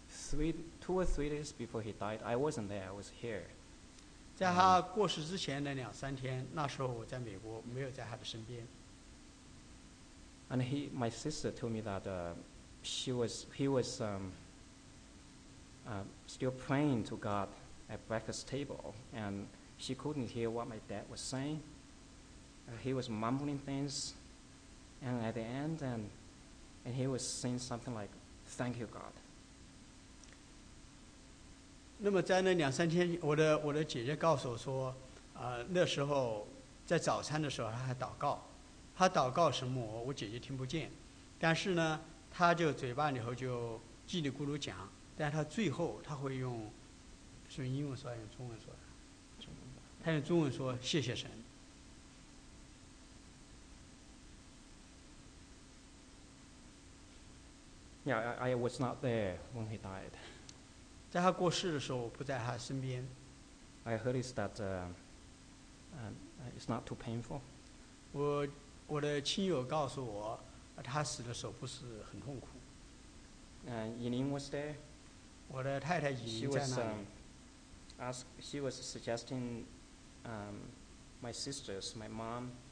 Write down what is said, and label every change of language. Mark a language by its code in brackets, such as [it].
[en] two or three days before he died, I wasn't there. I was here. [zh] 在他过世之前的两三天，那时候我在美国，没有在他的身边。 [en] And my sister told me that still praying to God. At breakfast table, and she couldn't hear what my dad was saying. He was mumbling things, and at the end, and he was saying something like, "Thank you, God." [zh] 那么在那两三天，我的姐姐告诉我说，那时候在早餐的时候，他还祷告，他祷告什么我姐姐听不见，但是呢，他就嘴巴里头就叽里咕噜讲，但他最后他会用。是用英文说还是用中文说的？他用中文说谢谢神。 [en] Yeah, I was not there when he died. [zh] 在他过世的时候，我不在他身边。 [en] I heard is that it's not too painful. [zh] 我的亲友告诉我，他死的时候不是很痛苦。 [en] Yilin was there. [zh] 我的太太已经在那里。 [en] She was suggesting my sisters, my mom.